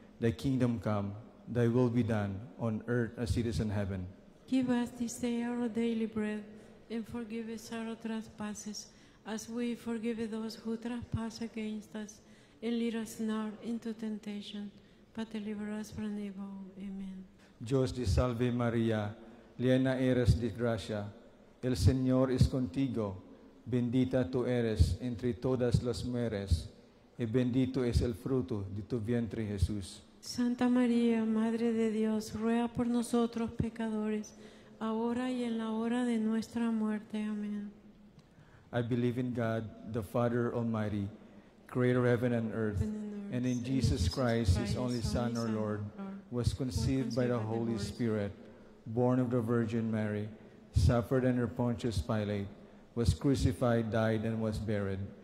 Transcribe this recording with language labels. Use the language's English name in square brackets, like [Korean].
[English] Thy kingdom come, thy will be done, on earth as it is in heaven. Give us this day our daily bread, and forgive us our trespasses, as we forgive those who trespass against us. And lead us not into temptation, but deliver us from evil. Amen. [Spanish] Dios te salve María, llena eres de gracia. El Señor es contigo, bendita tú eres entre todas las mujeres, y bendito es el fruto de tu vientre, Jesús. Santa María, Madre de Dios, ruega por nosotros pecadores, ahora y en la hora de nuestra muerte. Amén. [English] I believe in God, the Father Almighty, creator of heaven and earth, and in Jesus Christ, his only Son, our Lord, was conceived by the Holy Spirit, born of the Virgin Mary, suffered under Pontius Pilate, was crucified, died, and was buried.